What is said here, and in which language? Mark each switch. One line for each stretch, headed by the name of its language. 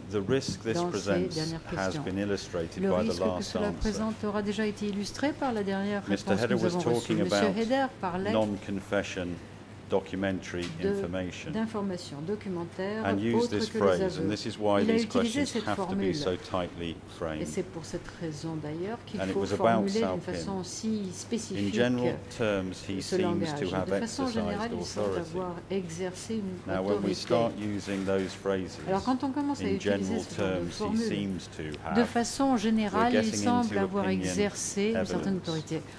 English: The risk this presents has been illustrated by the last answer.
French: Le risque que cela présente aura déjà été illustré par la dernière réponse que nous avons reçue. M. Heder parlait
English: non-confession documentary information.
French: D'information documentaire.
English: And use this phrase, and this is why these questions have to be so tightly framed.
French: Et c'est pour cette raison d'ailleurs qu'il faut formuler d'une façon si spécifique.
English: In general terms, he seems to have exercised authority. Now, when we start using those phrases,
French: alors quand on commence à utiliser ces formules,
English: he seems to have,
French: de façon générale, il semble avoir exercé une certaine autorité.